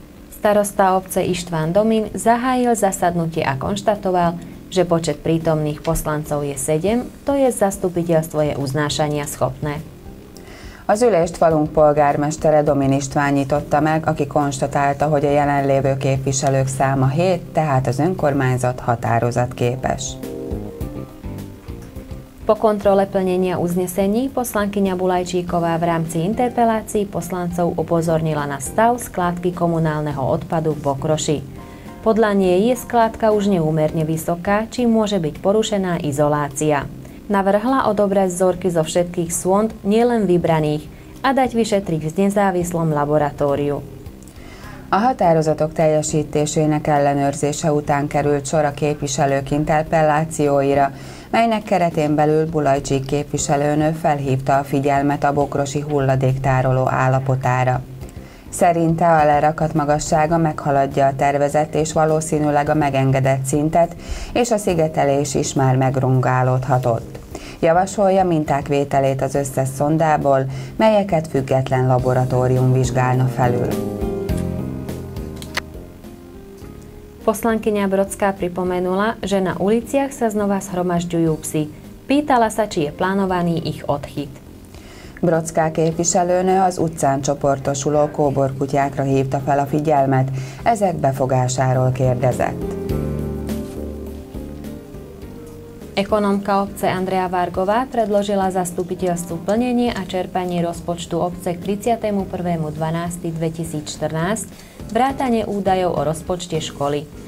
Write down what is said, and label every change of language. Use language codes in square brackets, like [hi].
[sk] Starosta obce István Domin zahájil zasadnutie a konštatoval, že počet prítomných poslancov je 7, to je zastupiteľstvo je uznášania schopné. [hu] Az ülést falunk polgármestere Domin István nyitotta meg, aki konstatálta, hogy a jelenlévő képviselők száma 7, tehát az önkormányzat határozatképes. [sk] Po kontrole plnenia uznesení poslankyňa Bulajčíková v rámci interpelácií poslancov upozornila na stav skládky komunálneho odpadu v Bokroši. Podľa nej je skládka už neúmerne vysoká, či môže byť porušená izolácia. Navrhla odobrať vzorky zo všetkých sond, nielen vybraných, a dať vyšetriť v nezávislom laboratóriu. [hu] A határozatok teljesítésének ellenőrzése után került sor a képviselők interpelláióira, melynek keretén belül Bulajcsik képviselőnő felhívta a figyelmet a bokrosi hulladéktároló állapotára. Szerinte a lerakat magassága meghaladja a tervezett és valószínűleg a megengedett szintet, és a szigetelés is már megrongálódhatott. Javasolja minták vételét az összes szondából, melyeket független laboratórium vizsgálna felül. [sk] Poslankyňa Brodská pripomenula, že na uliciach sa znova zhromažďujú psi. Pýtala sa, či je plánovaný ich odchyt. [hu] Brodská képviselőnő az utcán csoportosuló kóborkutyákra hívta fel a figyelmet, ezek befogásáról kérdezett. [sk] Ekonomka obce Andrea Vargová predložila zastupiteľstvu plnenie a čerpanie rozpočtu obce k 31.12.2014 vrátane údajov o rozpočte školy.